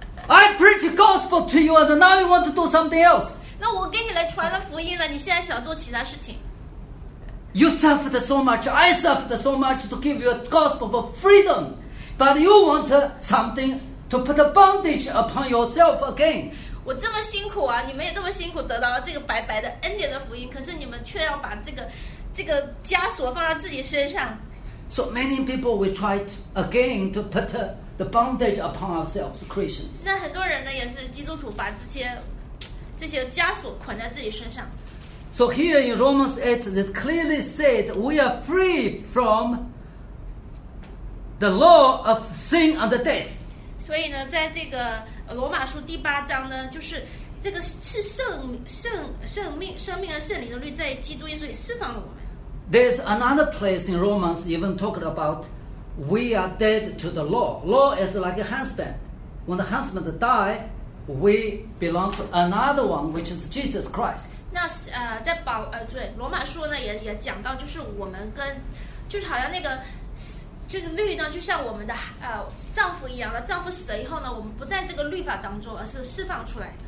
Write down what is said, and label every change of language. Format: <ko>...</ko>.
<en>I preach gospel to you, and now you want to do something else.</en> <zh>那我给你来传了福音了，你现在想做其他事情。</zh> <en>You suffered so much, I suffered so much to give you a gospel for freedom. But you want something to put a bondage upon yourself again.</en> <zh>我这么辛苦啊，你们也这么辛苦得到了这个白白的恩典的福音，可是你们却要把这个枷锁放到自己身上。</zh> <en>So many people will try to, again to put the bondage upon ourselves, Christians.</en> <zh>那很多人呢，也是基督徒，把这些枷锁捆在自己身上。</zh> <en>So here in Romans 8, it clearly said we are free from the law of sin and death.</en> <zh>所以呢，在这个罗马书第八章呢，就是这个是生命和圣灵的律在基督耶稣里释放了我们。</zh> <en>There's another place in Romans even talked about we are dead to the law. Law is like a husband. When the husband die, we belong to another one, which is Jesus Christ.</en> <zh>那在对罗马书呢也讲到，就是我们跟就是好像那个就是律呢，就像我们的丈夫一样的，丈夫死了以后呢，我们不在这个律法当中，而是释放出来。</zh>